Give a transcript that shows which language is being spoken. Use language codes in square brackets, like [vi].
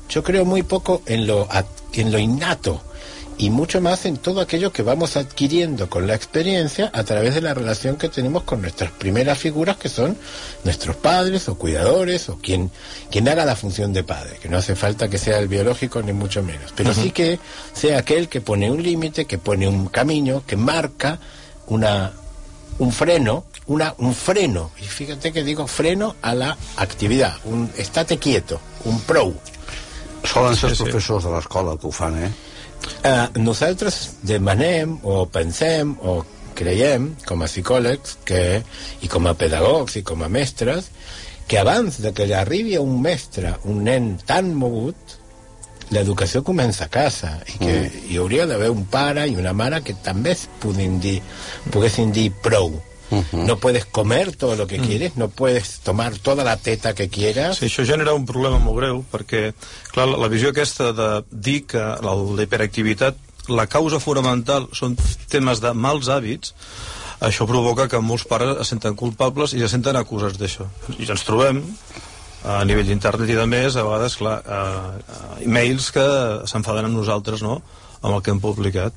[es] Yo creo muy poco en lo innato, y mucho más en todo aquello que vamos adquiriendo con la experiencia a través de la relación que tenemos con nuestras primeras figuras, que son nuestros padres o cuidadores o quien haga la función de padre, que no hace falta que sea el biológico ni mucho menos, pero sí que sea aquel que pone un límite, que pone un camino, que marca un freno, y fíjate que digo freno a la actividad, un estate quieto, un prou. [ca] Solen ser professors de l'escola que ho fan, Nosaltres demanem o pensem o creiem com a psicòlegs que, i com a pedagogs i com a mestres, que abans de que li arribi un mestre, un nen tan mogut, l'educació comença a casa, i que hi hauria d'haver un pare i una mare que també poguessin dir prou. [es] No puedes comer todo lo que quieres, no puedes tomar toda la teta que quieras. [ca] Sí, això genera un problema molt greu, perquè clar, la visió aquesta de dir que la hiperactivitat, la causa fonamental són temes de mals hàbits, això provoca que molts pares es senten culpables i es senten acusats d'això. I ens trobem a nivell d'internet i de més, a vegades, clar, e-mails que s'enfaden amb nosaltres, no?, amb el que hem publicat.